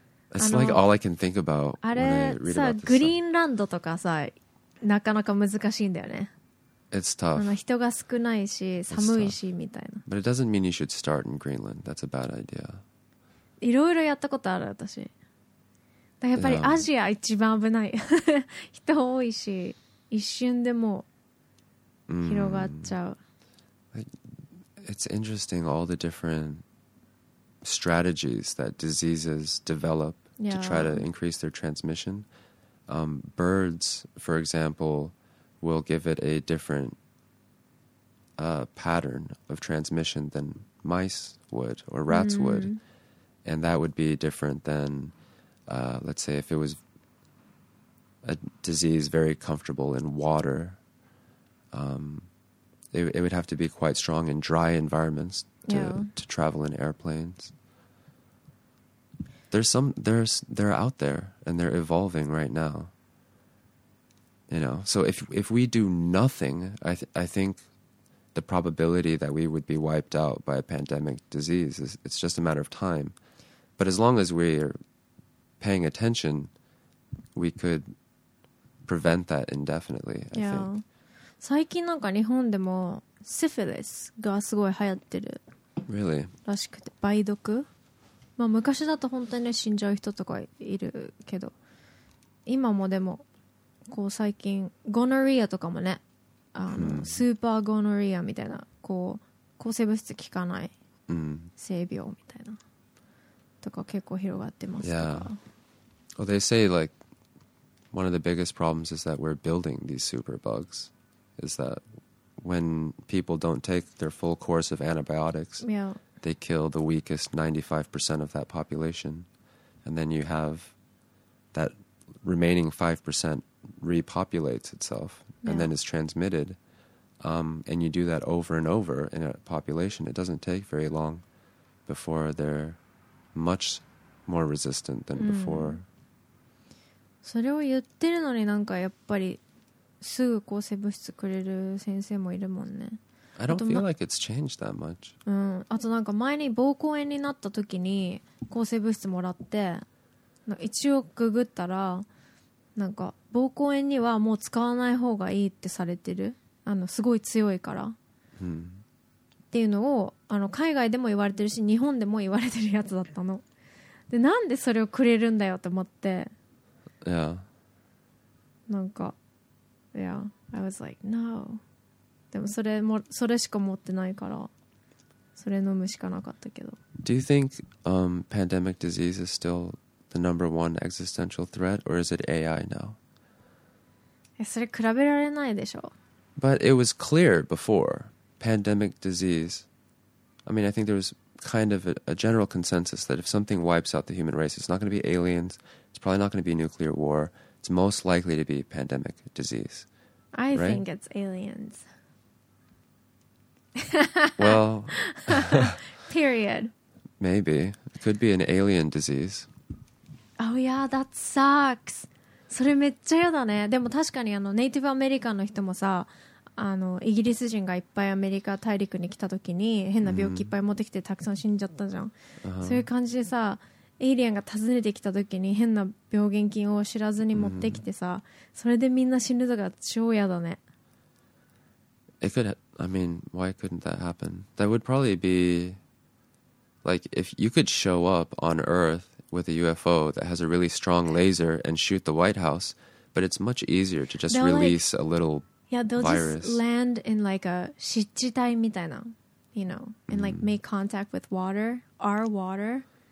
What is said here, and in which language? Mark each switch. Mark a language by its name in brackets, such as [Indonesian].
[English] It's like all I can think about when I read about this stuff. [Japanese] グリーンランドとかさ、なかなか難しいんだよね。 [English] It's tough. [Japanese] あの、人が少ないし、寒いしみたいな。 [English] But it doesn't mean you should start in Greenland. That's a bad idea. [Japanese] いろいろやったことある私。やっぱりアジア一番危ない。人多いし、一瞬でも広がっちゃう。 [English] It's interesting all the different strategies that diseases develop to try to increase their transmission. Birds, for example, will give it a different pattern of transmission than mice would or rats、mm-hmm. would. And that would be different than, let's say, if it was a disease very comfortable in water, it would have to be quite strong in dry environments to travel in airplanes. They're out there and they're evolving right now. You know, so if we do nothing, I think the probability that we would be wiped out by a pandemic disease is it's just a matter of time. But as long as we're paying attention, we could prevent that indefinitely, I yeah. think. [Japanese] 最近なんか日本でもシフィリスがすごい流行ってる。 [English] Really? [Japanese] らしくて、梅毒。まあ昔だと本当にね、死んじゃう人とかいるけど、今もでも、こう最近、ゴノリアとかもね、あの、スーパーゴノリアみたいな、こう、抗生物質効かない、性病みたいな、とか結構広がってますから。 [English] Yeah. Well, they say, like, one of the biggest problems is that we're building these super bugs, is that when people don't take their full course of antibiotics, yeah. they kill the weakest 95% of that population. And then you have that remaining 5% repopulates itself and yeah. then is transmitted. And you do that over and over in a population. It doesn't take very long before they're much more resistant than before. [Japanese] それを言ってるのになんかやっぱりすぐ抗生物質くれる先生もいるもんね。 [English] I don't feel like it's changed that much. [Japanese] うん。あとなんか前に膀胱炎になった時に抗生物質もらって、一応ググったら、なんか膀胱炎にはもう使わない方がいいってされてる。あのすごい強いから。っていうのをあの海外でも言われてるし、日本でも言われてるやつだったの。で、なんでそれをくれるんだよって思って。 [English] Yeah. [Japanese] なんか [English] Yeah, I was like, no. [Japanese] でもそれもそれしか持ってないからそれ飲むしかなかったけど。 [English] Do you think pandemic disease is still the number one existential threat or is it AI now? [Japanese] それ比べられないでしょ。 [English] But it was clear before pandemic disease. I mean, I think there was kind of a general consensus that if something wipes out the human race, it's not going to be aliens. It's probably not going to be a nuclear war. It's most likely to be a pandemic disease. I right? think it's aliens. Well. Period. Maybe. It could be an alien disease. Oh yeah, that sucks. [Japanese] それめっちゃ嫌だね。でも確かにあのネイティブアメリカンの人もさ、あのイギリス人がいっぱいアメリカ大陸に来た時に変な病気いっぱい持ってきてたくさん死んじゃったじゃん。そういう感じでさ、エイリアンが訪ねてきた時に変な病原菌を知らずに持ってきてさ、それでみんな死ぬとか超嫌だね。 [English] It could, I mean, why couldn't that happen? That would probably be like if you could show up on Earth with a UFO that has a really strong laser and shoot the White House, but it's much easier to just release a little virus. Yeah, they'll just land in like a [Japanese] 湿地帯みたいな、 [English] you know, and like make contact with water, our water.